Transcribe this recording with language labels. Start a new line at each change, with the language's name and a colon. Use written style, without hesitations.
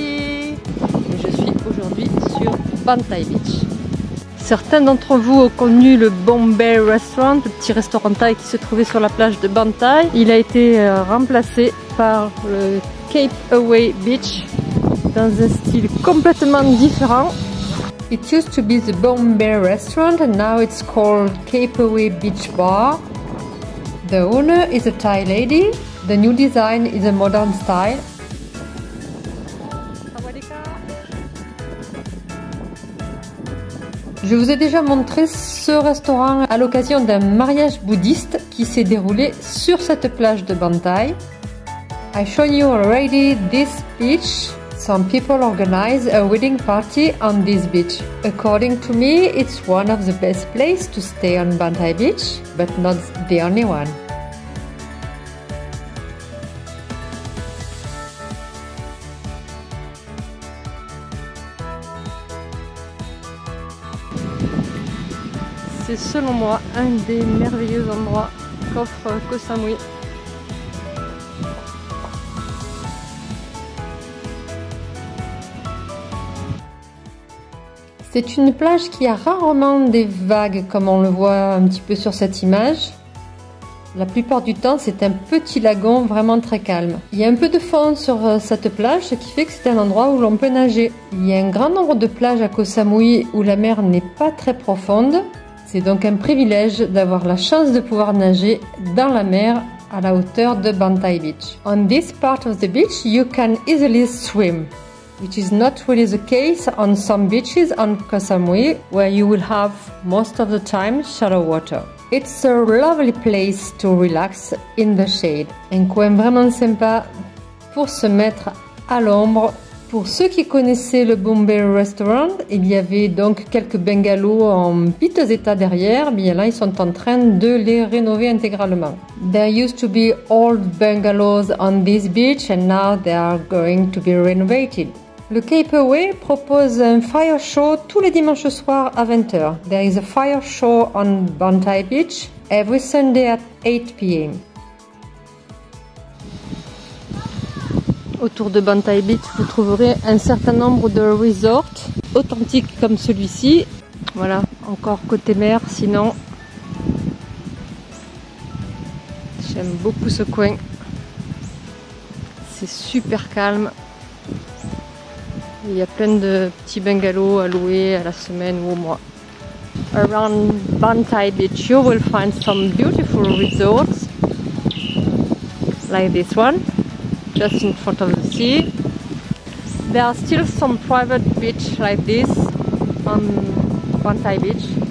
French: Et je suis aujourd'hui sur Ban Tai Beach. Certains d'entre vous ont connu le Bombay Restaurant, le petit restaurant thaï qui se trouvait sur la plage de Ban Tai. Il a été remplacé par le Cape Away Beach dans un style complètement différent.
English: It used to be the Bombay Restaurant and now it's called Cape Away Beach Bar. The owner is a Thai lady. The new design is a modern style.
French: Je vous ai déjà montré ce restaurant à l'occasion d'un mariage bouddhiste qui s'est déroulé sur cette plage de Ban Tai.
English: I shown you already this beach. Some people organize a wedding party on this beach. According to me, it's one of the best places to stay on Ban Tai Beach, but not the only one.
French: C'est selon moi un des merveilleux endroits qu'offre Koh Samui. C'est une plage qui a rarement des vagues comme on le voit un petit peu sur cette image. La plupart du temps c'est un petit lagon vraiment très calme. Il y a un peu de fond sur cette plage, ce qui fait que c'est un endroit où l'on peut nager. Il y a un grand nombre de plages à Koh Samui où la mer n'est pas très profonde. C'est donc un privilège d'avoir la chance de pouvoir nager dans la mer à la hauteur de Ban Tai Beach.
English: On this part of the beach, you can easily swim, which is not really the case on some beaches on Koh Samui, where you will have most of the time shallow water. It's a lovely place to relax in the shade.
French: Un coin vraiment sympa pour se mettre à l'ombre. Pour ceux qui connaissaient le Bombay Restaurant, il y avait donc quelques bungalows en piteux état derrière, mais là ils sont en train de les rénover intégralement.
English: There used to be old bungalows on this beach and now they are going to be renovated.
French: Le Cape Away propose un fire show tous les dimanches soirs à 20h.
English: There is a fire show on Ban Tai Beach every Sunday at 8 p.m.
French: Autour de Ban Tai Beach, vous trouverez un certain nombre de resorts authentiques comme celui-ci. Voilà, encore côté mer, sinon. J'aime beaucoup ce coin. C'est super calme. Il y a plein de petits bungalows à louer à la semaine ou au mois.
English: Around Ban Tai Beach, you will find some beautiful resorts. Like this one. Just in front of the sea. There are still some private beach like this on Ban Tai Beach.